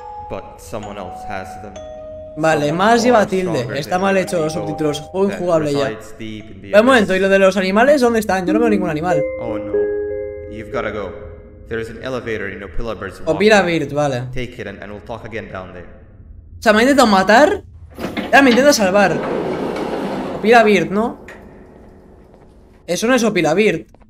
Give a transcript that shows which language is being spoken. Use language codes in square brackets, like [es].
[en] But someone else has them. [es] Vale, más lleva tilde. Está mal hecho los subtítulos. Juego injugable ya. Un momento, ¿y lo de los animales? ¿Dónde están? Yo no veo ningún animal. [en] Oh no. You've gotta go. There's an elevator in Opila Bird's walk. Opila Bird, vale. Take it and we'll talk again down there. [es] O sea, me ha intentado matar. Ya, me intenta salvar. Opila Bird, ¿no? Eso no es Opila Bird.